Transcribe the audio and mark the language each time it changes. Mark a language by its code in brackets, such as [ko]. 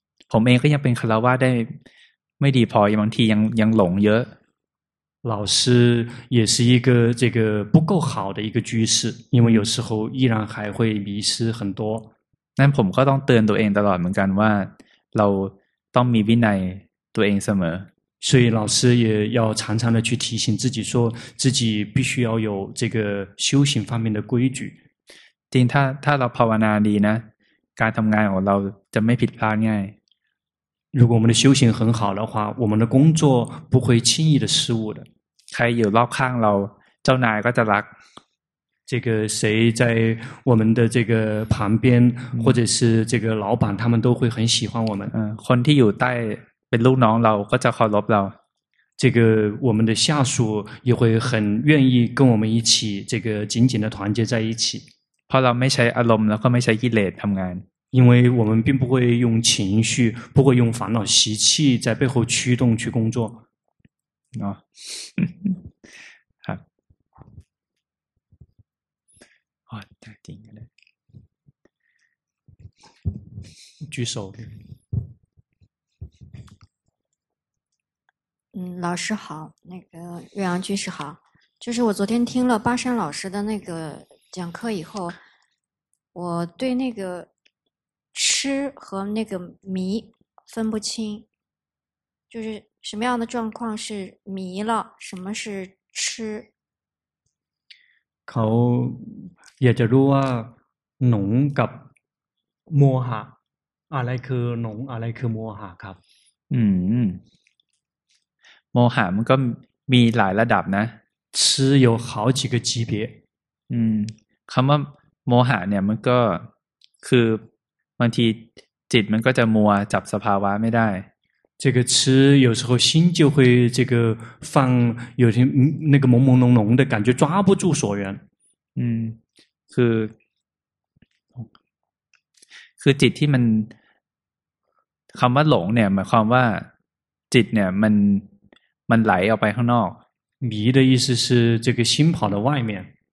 [th] ผมเองก็ยังเป็นคฤหัสถ์ได้ไม่ดีพอบางทียังหลงเยอะ [zh] 老师也是一个这个不够好的一个居士因为有时候依然还会迷失很多 [th] นั่นผมก็ต้องเตือนตัวเองตลอดเหมือนกันว่าเราต้องมีวินัยตัวเองเสมอ [zh] 所以老师也要常常的去提醒自己说自己必须要有这个修行方面的规矩 [th] จริงถ้าเราภาวนาดีนะการทำงานของเราจะไม่ผิดพลาดง่าย [zh] 如果我们的修行很好的话我们的工作不会轻易的失误的 [th] ใครอยู่รอบข้างเราเจ้านายก็จะรัก [zh] 这个谁在我们的这个旁边，或者是这个老板，他们都会很喜欢我们。 [th] 嗯，คนที่อยู่ใต้เป็นลูกน้องเราก็จะเคารพเรา。 [zh] 这个我们的下属也会很愿意跟我们一起，这个紧紧的团结在一起。 [th] เพราะเราไม่ใช้อารมณ์แล้วก็ไม่ใช้กิเลสทำงาน。 [zh] 因为我们并不会用情绪，不会用烦恼习气在背后驱动去工作。啊。举手。嗯，老师好，那个岳阳居士好，就是我昨天听了巴山老师的那个讲课以后，我对那个痴和那个迷分不清，就是什么样的状况是迷了，什么是痴？ [th] เขาอยากจะรู้ว่าหลงกับโมหะอะไรคือหลงอะไรคือโมหะครับ อืมโมหะมันก็มีหลายระดับนะ [zh] 痴有好几个级别 [th] อืมคำว่าโมหะเนี่ยมันก็คือบางทีจิตมันก็จะมัวจับสภาวะไม่ได้ [zh] 这个痴有时候心就会这个放有些那个朦朦胧胧的感觉抓不住所缘。 [th] 嗯，คือจิตที่มันคำว่าหลงเนี่ยหมายความว่าจิตเนี่ยมันไหลออกไปข้างนอก。 [zh] 迷的意思是这个心跑到外面。